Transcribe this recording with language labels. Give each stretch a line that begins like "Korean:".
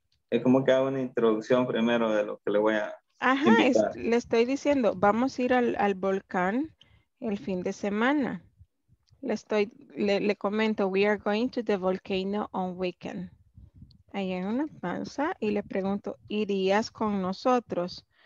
Spanish: Es como que hago una introducción primero de lo que le voy a invitar. Le estoy diciendo, vamos a ir al volcán el fin de semana. Le comento,
English: we are going to the volcano on weekend.
Spanish: Ahí en una pausa y le pregunto, ¿irías con nosotros?